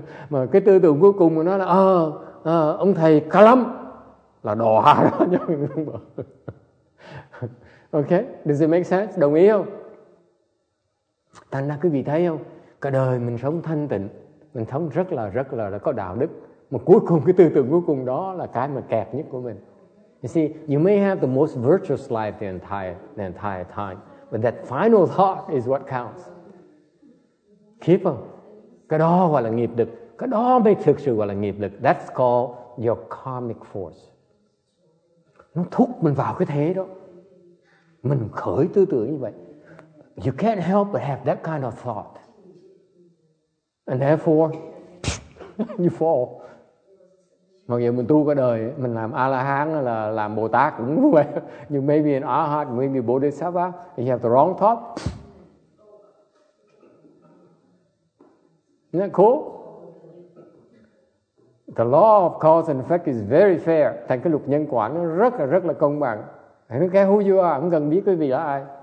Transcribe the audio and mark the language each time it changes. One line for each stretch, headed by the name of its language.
Vietnamese: Mà cái tư tưởng cuối cùng của nó là, ông thầy cả lắm, là đọa đó.
English: Okay, does it make sense?
Vietnamese: Đồng ý không? Thành ra quý vị thấy không? Cả đời mình sống thanh tịnh, mình sống rất là có đạo đức. Mà cuối cùng, cái tư tưởng cuối cùng đó là cái mà kẹt nhất của mình.
English: You see, you may have the most virtuous life the entire time, but that final thought is what counts. Keep them.
Vietnamese: Cái đó gọi là nghiệp lực. Cái đó mới thực sự gọi là nghiệp lực.
English: That's called your karmic force.
Vietnamese: Nó thúc mình vào cái thế đó. Mình khởi tư tưởng như vậy.
English: You can't help but have that kind of thought. And therefore, you fall.
Vietnamese: Mặc dù mình tu cả đời, mình làm A-la-hán hay là làm Bồ-Tát cũng vậy.
English: Nhưng maybe an A-hát, maybe Bodhisattva, you have the wrong thought. Isn't that cool? The law of cause and effect is very fair.
Vietnamese: Thành cái luật nhân quả nó rất là công bằng.
English: I don't care who you are,
Vietnamese: không cần biết quý vị là ai.